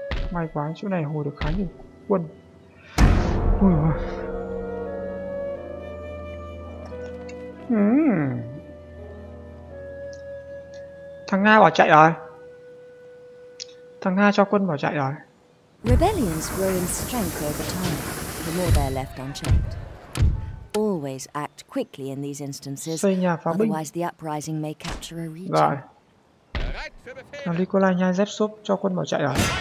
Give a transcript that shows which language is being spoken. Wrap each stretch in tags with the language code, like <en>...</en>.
<vi>May quá, chỗ này hồi được khá nhiều quân. Ui ui. Thằng Nga bỏ chạy rồi. Thằng Nga cho quân bỏ chạy rồi.</vi> <en>Rebellions grow in strength over time, the more they're left unchecked. Always act quickly in these instances.</en> <vi>Xây nhà pháo binh.</vi> <en>Otherwise the uprising may capture a region. Rồi.</en> <vi>Thằng Nikolai nhai dép súp cho quân bỏ chạy rồi.</vi>